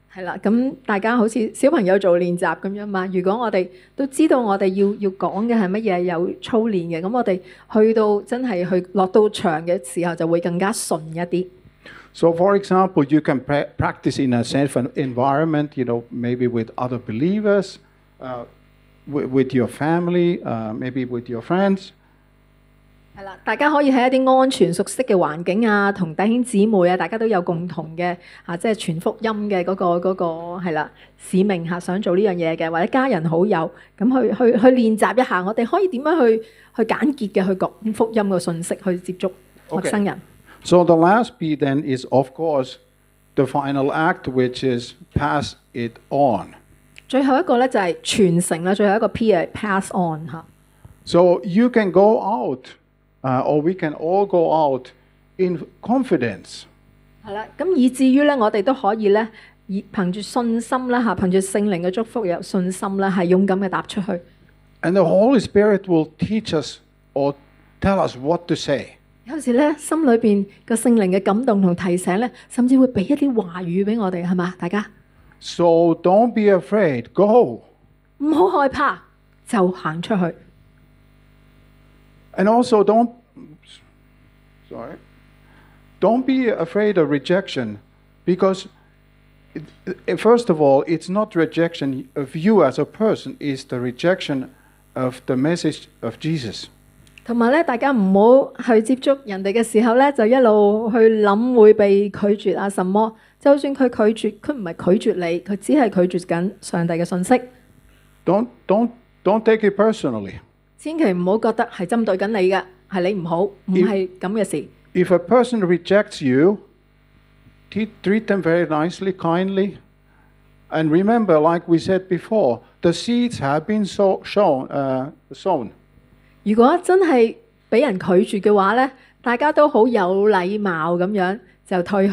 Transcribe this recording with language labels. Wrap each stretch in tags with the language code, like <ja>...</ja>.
<yue>係啦，咁大家好似小朋友做練習咁樣嘛。如果我哋都知道我哋要講嘅係乜嘢，有操練嘅，咁我哋去到真係去落到場嘅時候，就會更加順一啲。</yue> <en>So, for example, you can practice in a safe environment, you know, maybe with other believers, with your family, maybe with your friends.</en> <yue>係啦，大家可以喺一啲安全、熟悉嘅環境啊，同弟兄姊妹啊，大家都有共同嘅啊，即係傳福音嘅嗰個係啦使命嚇，想做呢樣嘢嘅，或者家人好友咁去練習一下，我哋可以點樣去簡潔嘅去講福音嘅信息，去接觸陌生人。</yue> <en>Okay. So the last P then is, of course, the final act, which is pass it on.</en> <yue>最後一個咧就係傳承啦。最後一個 P 係 pass on 嚇。</yue> <en>So you can go out, or we can all go out in confidence.</en> <yue>係啦，咁以至於咧，我哋都可以咧，以憑住信心啦嚇，憑住聖靈嘅祝福有信心啦，係勇敢嘅踏出去。</yue> <en>And the Holy Spirit will teach us or tell us what to say.</en> <yue>有時咧，心裏邊個聖靈嘅感動同提醒咧，甚至會俾一啲話語俾我哋，係嘛，大家</yue> <en>？So don't be afraid, go.</en> <yue>唔好害怕，就行出去。</yue> <en>And also don't be afraid of rejection, because first of all, it's not rejection of you as a person, it's the rejection of the message of Jesus.</en> <yue>同埋咧，大家唔好去接觸人哋嘅時候咧，就一路去諗會被拒絕啊什麼。就算佢拒絕，佢唔係拒絕你，佢只係拒絕緊上帝嘅信息。</yue> <en>Don't take it personally。</en> <yue>千祈唔好覺得係針對緊你嘅，係你唔好，唔係咁嘅事。</yue> <en>If a person rejects you, treat them very nicely, kindly, and remember, like we said before, the seeds have been sown.</en> <yue>如果真係俾人拒絕嘅話咧，大家都好有禮貌咁樣就退去。</yue>